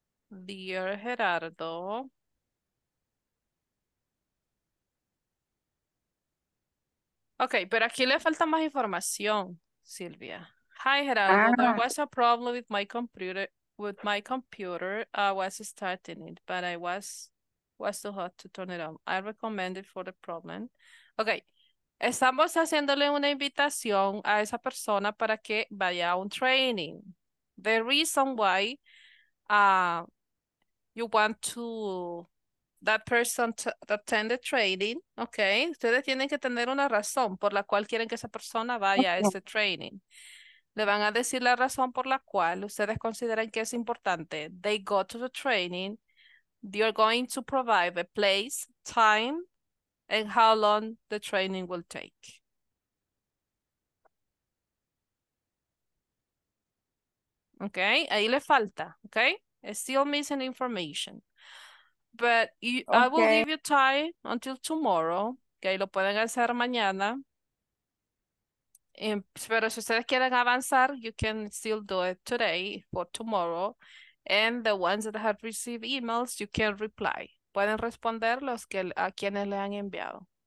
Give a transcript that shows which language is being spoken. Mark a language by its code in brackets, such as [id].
[en] Dear Gerardo. [es] Okay, pero aquí le falta más información, Silvia. [en] Hi, Gerardo. Ah. There was a problem with my computer. With my computer, I was starting it, but I was too hot to turn it on. I recommend it for the problem. [es] Okay, estamos haciéndole una invitación a esa persona para que vaya a un training. [en] The reason why you want to that person to attend the training, okay? [es] Ustedes tienen que tener una razón por la cual quieren que esa persona vaya a ese training. Le van a decir la razón por la cual ustedes consideran que es importante. [en] They go to the training. They're going to provide a place, time, and how long the training will take. Okay, [es] ahí le falta, [en] okay? It's still missing information. But you, okay. I will give you time until tomorrow. [es] Okay, lo pueden hacer mañana. Pero si ustedes quieren avanzar, [en] you can still do it today for tomorrow. And the ones that have received emails, you can reply. [es] Pueden responder los que a quienes le han enviado.